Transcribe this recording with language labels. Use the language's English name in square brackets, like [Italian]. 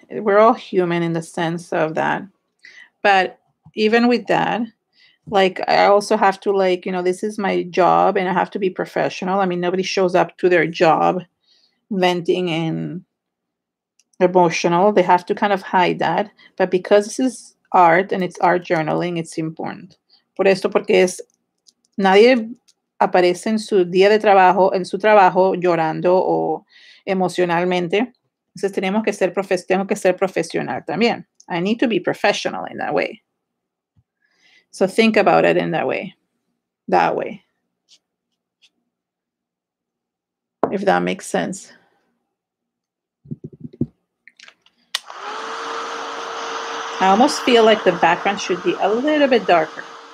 [English] We're all human in the sense of that. But even with that, like, I also have to, like, you know, this is my job and I have to be professional. I mean, nobody shows up to their job venting and emotional. They have to kind of hide that. But because this is art and it's art journaling, it's important. [Spanish] Por esto, porque es nadie aparece en su día de trabajo, en su trabajo, llorando o emocionalmente. Entonces, tengo que ser profesional también. [English] I need to be professional in that way. So think about it in that way. That way. If that makes sense. I almost feel like the background should be a little bit darker.